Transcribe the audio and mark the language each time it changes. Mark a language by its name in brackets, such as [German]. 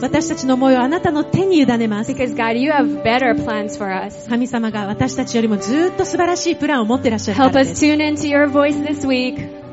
[Japanese] 私たちの思いをあなたの手に委ねます [English] because God, you have better plans for us. [Japanese] 神様が私たちよりもずっと素晴らしいプランを持ってらっしゃるからです [English] Help us tune into your voice this week.